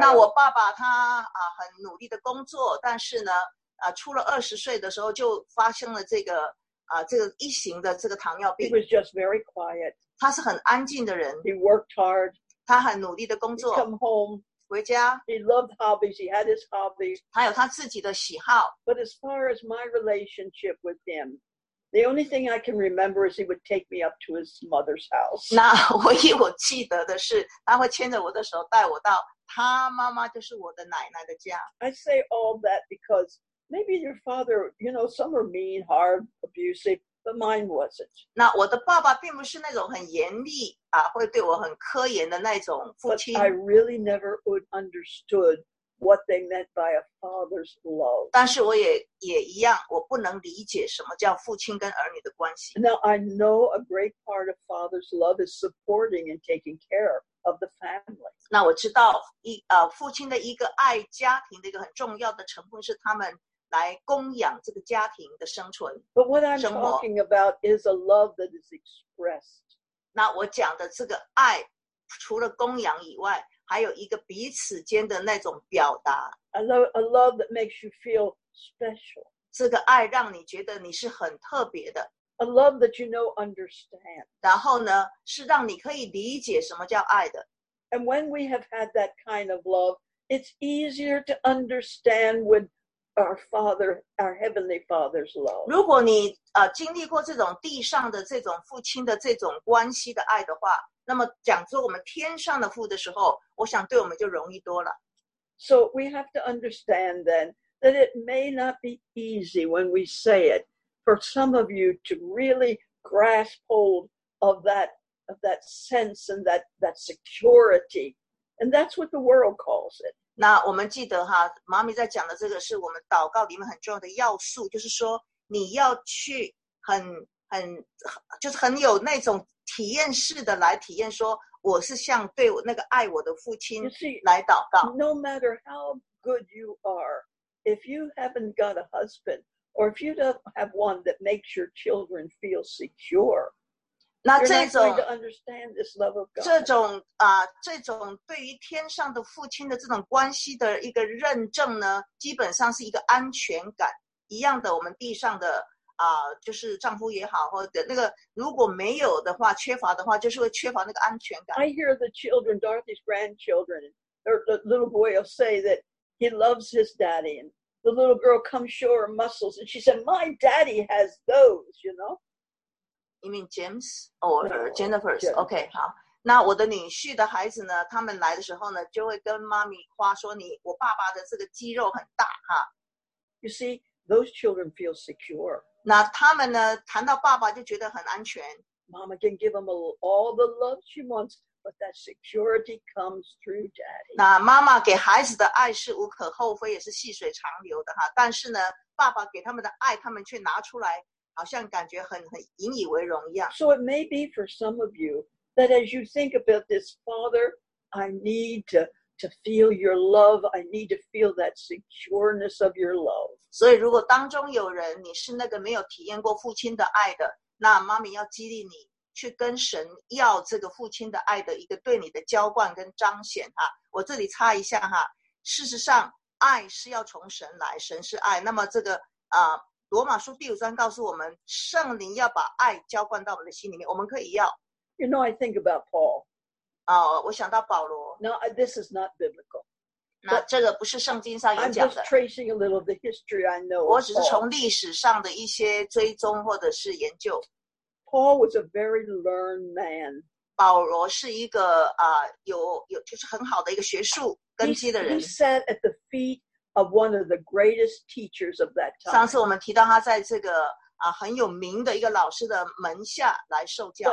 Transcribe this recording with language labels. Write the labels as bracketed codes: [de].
[zh] 那我爸爸他啊很努力的工作，但是呢。出了20岁的时候就发生了这个这个一型的这个糖尿病。 [en] He was just very quiet. [zh] 他是很安静的人。 [en] He worked hard. [zh] 他很努力的工作。 [en] He'd come home. [zh] 回家。 [en] He loved hobbies. He had his hobbies. [zh] 他有他自己的喜好。 [en] But as far as my relationship with him, the only thing I can remember is he would take me up to his mother's house. [zh] 那唯一我记得的是，他会牵着我的手带我到他妈妈，就是我的奶奶的家。 [en] I say all that because. Maybe your father, you know, some are mean, hard, abusive, but mine wasn't. [zh] 那我的爸爸并不是那种很严厉啊，会对我很苛严的那种父亲。 [en] But I really never would understood what they meant by a father's love. [zh] 但是我也一样，我不能理解什么叫父亲跟儿女的关系。 [en] Now I know a great part of father's love is supporting and taking care of the family. [zh] 那我知道父亲的一个爱家庭的一个很重要的成分是他们。来供养这个家庭的生存。 [en] But what I'm talking about is a love that is expressed. [zh] 那我讲的这个爱，除了供养以外，还有一个彼此间的那种表达。 [en] A love that makes you feel special. [zh] 这个爱让你觉得你是很特别的。 [en] A love that you know understand. [zh] 然后呢，是让你可以理解什么叫爱的。 [en] And when we have had that kind of love, it's easier to understand whenOur Father, our Heavenly Father's love. [zh] 如果你经历过这种地上的这种父亲的这种关系的爱的话，那么讲说我们天上的父的时候，我想对我们就容易多了。 [en] So we have to understand then that it may not be easy when we say it for some of you to really grasp hold of that sense and that security. And that's what the world calls it. [zh] 那我们记得哈，妈咪在讲的这个是我们祷告里面很重要的要素，就是说你要去很就是很有那种体验式的来体验说我是像对我那个爱我的父亲来祷告。 [en] No matter how good you are, if you haven't got a husband, or if you don't have one that makes your children feel secure, [zh] 那这种 [en] to understand this love of God. [zh] 这种对于天上的父亲的这种关系的一个认证呢，基本上是一个安全感。一样的，我们地上的就是丈夫也好，或者那个如果没有的话，缺乏的话，就是会缺乏那个安全感。 [en] I hear the children, Dorothy's grandchildren, or the little boy will say that he loves his daddy, and the little girl comes show her muscles, and she said, "My daddy has those," you know. You mean James or Jennifer? OK, [zh] 好。那我的女婿的孩子呢，他们来的时候呢，就会跟妈咪夸说你，我爸爸的这个肌肉很大哈。 [en] You see, those children feel secure. [zh] 那他们呢，谈到爸爸就觉得很安全。 [en] Mama can give them all the love she wants, but that security comes through daddy. [zh] 那妈妈给孩子的爱是无可厚非，也是细水长流的哈。但是呢，爸爸给他们的爱，他们却拿出来好像感觉很引以为荣一样。 [en] So it may be for some of you that as you think about this, Father, I need to feel your love. I need to feel that secureness of your love. [zh] 所以如果当中有人你是那个没有体验过父亲的爱的，那妈咪要激励你去跟神要这个父亲的爱的一个对你的浇灌跟彰显哈。我这里插一下哈，事实上爱是要从神来，神是爱。那么这个罗马书第五章告诉我们，圣灵要把爱浇灌到我们的心里面。我们可以要。 [en] You know, I think about Paul. [zh] 我想到保罗。 [en] Now, this is not biblical. [zh] 那这个不是圣经上有讲的。 [en] I'm just tracing a little of the history I know. [zh] 我只是从历史上的一些追踪或者是研究。 [en] Paul was a very learned man. [zh] 保罗是一个有就是很好的一个学术根基的人。 [en] He sat at the feet. Of one of the greatest teachers of that time. [zh] 上次我们提到他在这个很有名的一个老师的门下来受教。